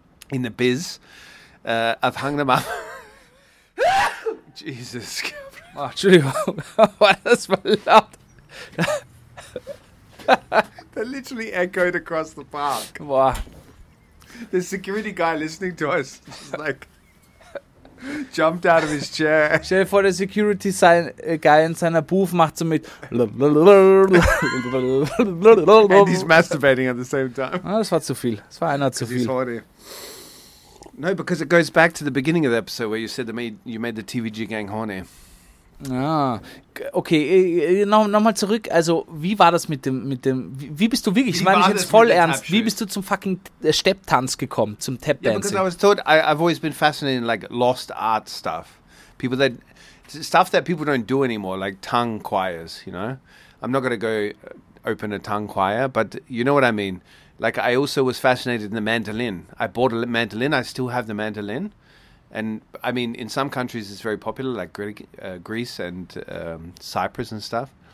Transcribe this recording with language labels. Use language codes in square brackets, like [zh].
[en] In the biz. I've hung them up. Jesus. [de] Entschuldigung. Das war laut. [en] They literally echoed across the park. [de] Boah. [en] The security guy listening to us is like... jumped out of his chair. [de] Stell dir vor, der Security Guy in seiner Booth macht so mit. [en] And he's masturbating at the same time. [de] Ah, das war zu viel. Das war einer zu viel. [en] He's horny. No, because it goes back to the beginning of the episode where you said that you made the TVG Gang horny. [de] Ah, okay. Nochmal zurück. Also, wie war das mit dem? Wie bist du wirklich? Ich meine, ich jetzt voll ernst. Wie bist du zum fucking Stepptanz gekommen, zum Tap Dancing? [en] Yeah, because I was taught. I've always been fascinated in like lost art stuff. Stuff that people don't do anymore, like tongue choirs. You know, I'm not gonna go open a tongue choir, but you know what I mean. Like, I also was fascinated in the mandolin. I bought a mandolin. I still have the mandolin. And, I mean, in some countries it's very popular, like Greece and Cyprus and stuff.